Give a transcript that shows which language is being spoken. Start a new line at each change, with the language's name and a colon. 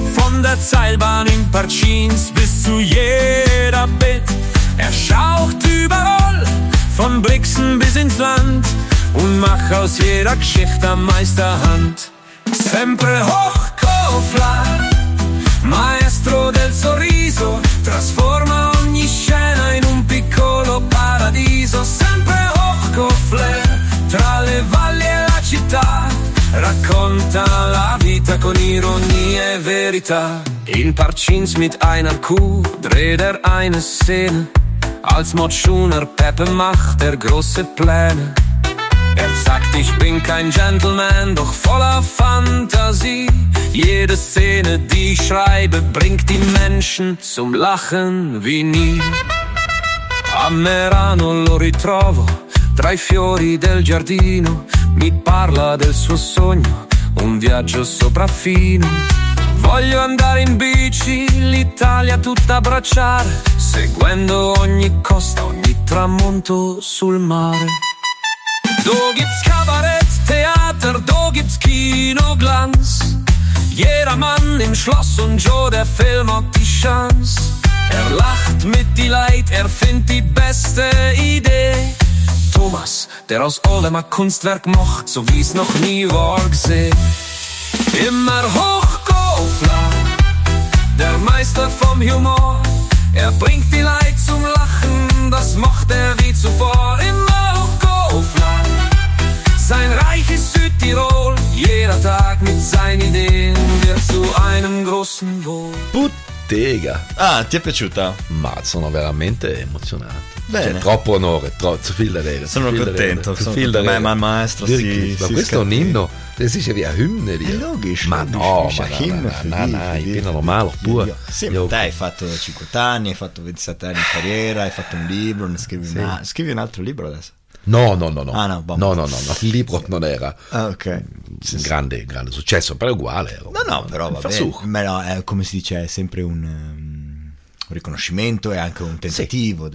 German: Von der Seilbahn in Parchins bis zu jeder Bit. Er schaucht überall, von Brixen bis ins Land. Und mach aus jeder Geschichte Meisterhand.
Italian: Sempre Hochkofla, maestro del sorriso, trasforma ogni scena in un piccolo paradiso. Sempre Hochkofla, tra le valli e la città, racconta la vita con ironia e verità.
German: In Parchins mit einer Kuh dreht eine Szene, als Mordschuner Peppe macht große Pläne. Sagt, ich bin kein Gentleman, doch voller Fantasie. Jede Szene, die ich schreibe, bringt die Menschen zum Lachen wie nie.
Italian: A Merano lo ritrovo, tra i fiori del giardino. Mi parla del suo sogno, un viaggio sopraffino. Voglio andare in bici, l'Italia tutta abbracciare, seguendo ogni costa, ogni tramonto sul mare.
German: Do gibt's Kabarett, Theater, do gibt's Kinoglanz. Jeder Mann im Schloss und Joe, der Film hat die Chance. Er lacht mit die Leid, er findet die beste Idee. Thomas, der aus allem ein Kunstwerk macht, so wie's noch nie war gesehen. Immer Hochkofler, der Meister vom Humor. Er bringt die Leid zum Lachen, das macht er wie zuvor. Immer Hochkofler. Sein Reich ist Südtirol, jeder Tag mit seinen Ideen wird zu einem großen Wohl.
Italian: Bottega! Ah, ti è piaciuta? Ma sono veramente emozionato. Bene. C'è troppo onore,
German: zu viel da reden.
Italian: Sono contento, sono
German: viel da reden.
Italian: Ma il maestro si scattì. Ma questo è un inno,
German: das ist ja wie ein Hymne.
Italian: È logisch. Ma no, ma no, no, no, io
German: bin normal,
Italian: pur. Sì, ma te hai fatto 50 anni, hai fatto 27 anni di carriera, hai fatto un libro, ne scrivi, sì. Scrivi un altro libro adesso. No, no, no, no. Ah, no, no, no, no, no, il libro non era un grande, grande successo, però è uguale. Era no, no, però vabbè, ma no, è come si dice, è sempre un riconoscimento e anche un tentativo.